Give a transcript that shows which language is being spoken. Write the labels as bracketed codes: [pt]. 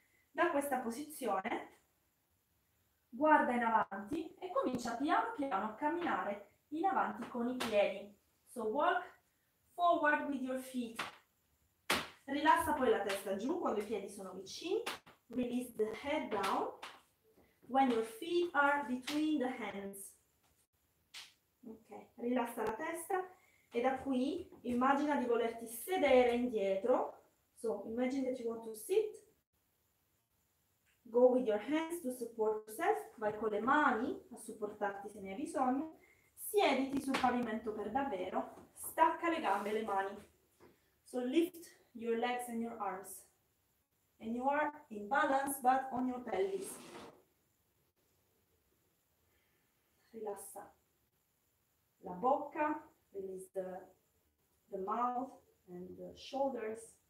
[it] Da questa posizione guarda in avanti e comincia piano piano a camminare in avanti con i piedi. [en] So walk forward with your feet. [it] Rilassa poi la testa giù quando i piedi sono vicini. [en] Release the head down when your feet are between the hands. [it] Ok, rilassa la testa e da qui immagina di volerti sedere indietro. [en] So imagine that you want to sit. Go with your hands to support yourself. [it] Vai con le mani a supportarti se ne hai bisogno. Siediti sul pavimento per davvero, stacca le gambe e le mani. [en] So lift your legs and your arms. And you are in balance, but on your pelvis. [it] Rilassa la bocca, [en] release the mouth and the shoulders.